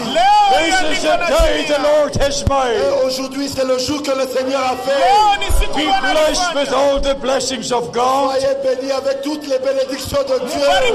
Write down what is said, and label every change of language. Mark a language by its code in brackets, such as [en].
[en] This is the day the Lord has made. [fr] Et aujourd'hui, c'est le jour que le Seigneur a fait. [en] Be blessed with all the blessings of God. [fr] Soyez béni avec toutes les bénédictions de Dieu.